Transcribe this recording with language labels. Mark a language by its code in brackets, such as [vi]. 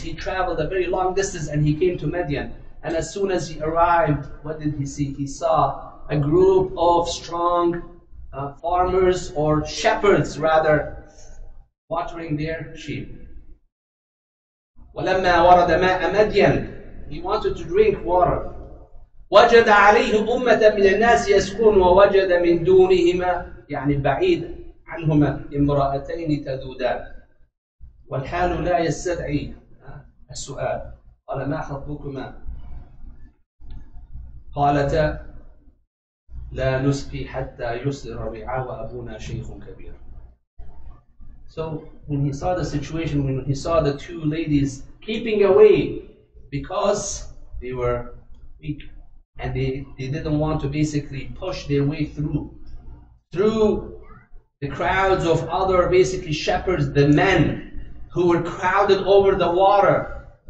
[en] He traveled a very long distance and he came to Midian. And as soon as he arrived, what did he see? He saw a group of strong farmers, or shepherds rather, watering their sheep. [ar] وَلَمَّا وَرَدَ مَاءَ مَدْيَنَ. [en] He wanted to drink water. [ar] وَجَدَ عَلَيْهُ أُمَّةً مِنَ النَّاسِ يَسْكُونَ وَوَجَدَ مِنْ دُونِهِمَا يعني بعيد عنهما امرأتين تذودان والحال لا يستدعي السؤال. قال ما خطبكما؟ قالتا لا نسقي حتى يصدر الرعاء وأبونا شيخ كبير. [en] So when he saw the situation, when he saw the two ladies keeping away because they were weak and they didn't want to basically push their way through the crowds of other basically shepherds, the men who were crowded over the water.